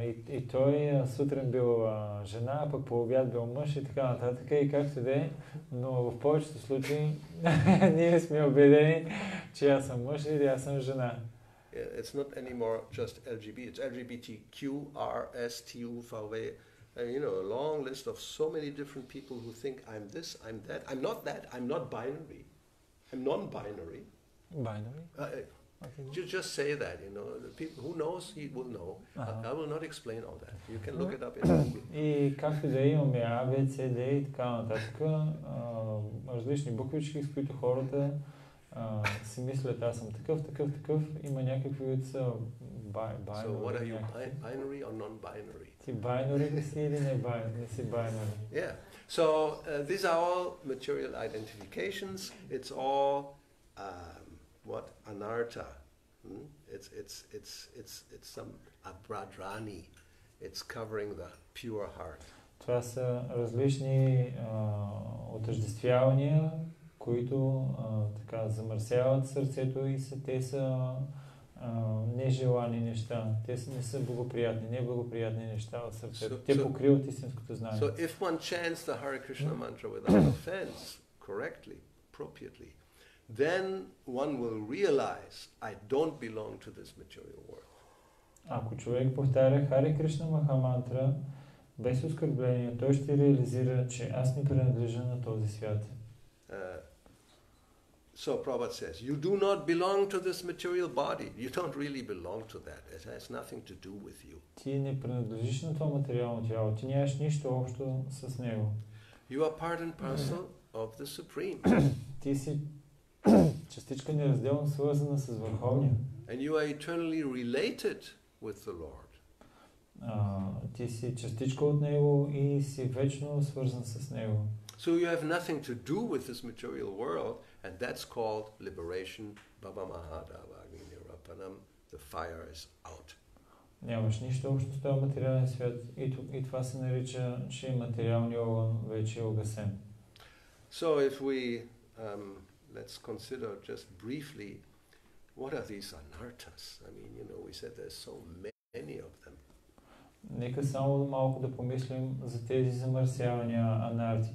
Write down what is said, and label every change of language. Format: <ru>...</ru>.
<bg>И той сутрин бил жена, пък по обяд бил мъж и така нататък, и както де, но в повечето случаи ние сме убедени, че аз съм мъж или аз съм жена.</bg> <en>It's not anymore just LGBT, it's LGBTQ, R, S, T, U, V, V, and you know, a long list of so many different people who think I'm this, I'm that, I'm not that, I'm not binary, I'm non-binary. Binary? You just say that, you know, the people, who knows, he will know. Uh-huh. I will not explain all that. You can look it up in</en> <bg>И както да имаме А, Б, Ц, Д и така нататък, различни буквички, с които хората си мислят, аз съм такъв, такъв, такъв, има някакви, които са binary.</bg> <en>So what are you, binary or non-binary?</en> <bg>Ти binary си или не си binary?</bg> <en>Yeah. So these are all material identifications. It's all... what anartha? It's some abhradrani. It's covering the pure heart.</en> <bg>Това са различни отъждествявания, които така замърсяват сърцето и са, те са нежелани неща. Те са, не са благоприятни, не благоприятни неща от сърцето. Те покриват истинското знание.</bg> <en>So if one chants the Hare Krishna mantra without offense, correctly, appropriately, then one will realize I don't belong to this material world.</en> <bg>Ако човек повтаря Хари Кришна Маха мантра без оскърбление, той ще реализира, че аз не принадлежа на този свят.</bg> <en>So Prabhupada says, you do not belong to this material body. You don't really belong to that. It has nothing to do with you.</en> <bg>Ти не принадлежиш на това материално тяло. Ти нямаш нищо общо с него.</bg> <en>You are part and parcel of the Supreme.</en> <bg>Ти си частичка неразделно свързана с Върховния.</bg> <en>And you are eternally related with the Lord.</en> <bg>Ти си частичка от Него и си вечно свързан с Него.</bg> <en>So you have nothing to do with this material world, and that's called liberation.</en> <sa>Baba Mahadava Agni Nirvapanam.</sa> <en>The fire is out.</en> <bg>Нямаш нищо общо с този материален свят и това се нарича, че материалния огън вече е угасен.</bg> <en>So if we let's consider just briefly what are these anarthas. I mean, you know, we said there's so many of them.</en> <bg>Нека само малко да помислим за тези замърсявания, анарти.</bg>